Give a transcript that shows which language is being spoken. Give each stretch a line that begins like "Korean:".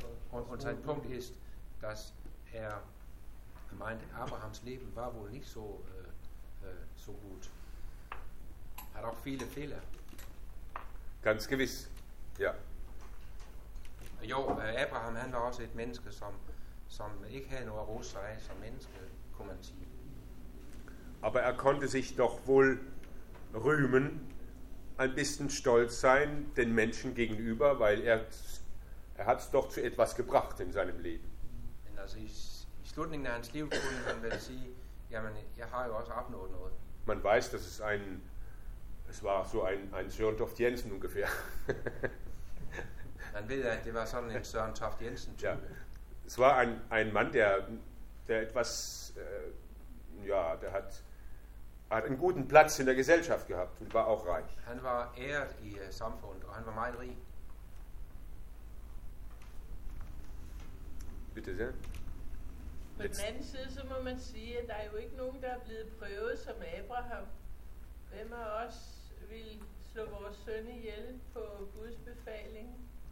German: Und sein Punkt ist, dass er meint, Abrahams Leben war wohl nicht so, so gut. Er hat auch viele Fehler. Ganz gewiss, ja.
Danish: Jo, Abraham, han var også et menneske, som ikke havde noget at rose sig af som menneske, kunne man sige.
German: Aber er konnte sich doch wohl rühmen, ein bisschen stolz sein den Menschen gegenüber, weil er hat es doch zu etwas gebracht in seinem Leben.
Danish: I slutningen af hans liv kunne man vel sige, jamen, jeg har jo også opnået noget.
German: Man weiß, dass es ein, es war so ein Søren Toft Jensen ungefähr.
Danish: Man ved, at det var sådan en Søren Toft Jensen type. Ja.
German: Es war ein Mann, der etwas, ja, der hat einen guten Platz in der Gesellschaft gehabt und war auch reich.
Danish: Han var æret i samfundet, og han var meget rig.
German: Bitte sehr.
Danish: På den anden side, så må man sige, at der er jo ikke nogen, der er blevet prøvet som Abraham. Hvem af os vil slå vores søn ihjel på Guds befaling?